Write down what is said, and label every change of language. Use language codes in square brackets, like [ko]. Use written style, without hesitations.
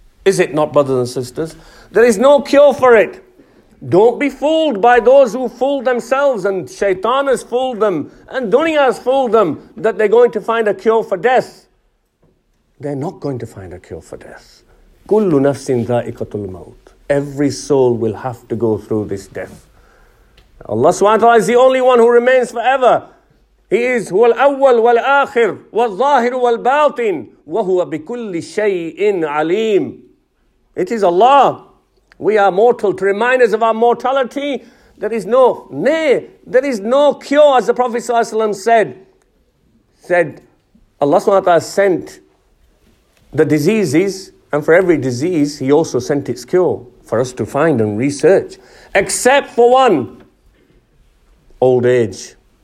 [en] Is it not, brothers and sisters? There is no cure for it. Don't be fooled by those who fooled themselves, and shaitan has fooled them, and dunya has fooled them, that they're going to find a cure for death. They're not going to find a cure for death. [ar] Kullu nafsin dha'iqatul maut. [en] Every soul will have to go through this death. Allah subhanahu wa ta'ala is the only one who remains forever. He is [ar] هو الأول والآخر والظاهر والباطن وهو بكل شيء عليم. [en] It is Allah. We are mortal. To remind us of our mortality, there is no cure, as the Prophet sallallahu alaihi wasallam said, Allah subhanahu wa ta'ala sent the diseases, and for every disease, He also sent its cure for us to find and research, except for one, old age.